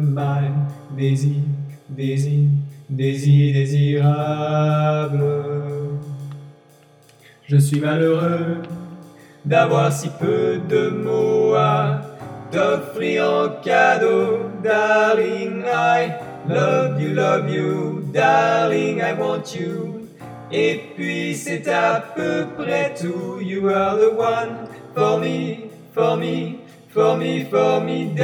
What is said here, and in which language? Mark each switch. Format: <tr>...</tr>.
<en>My Daisy, Daisy, Daisy désirable.</en> <fr>Je suis malheureux d'avoir si peu de mots à t'offrir en cadeau.</fr> <en>Darling, I love you, darling, I want you.</en> <fr>Et puis c'est à peu près tout.</fr> <en>You are the one for me, for me, for me, formidable.</en>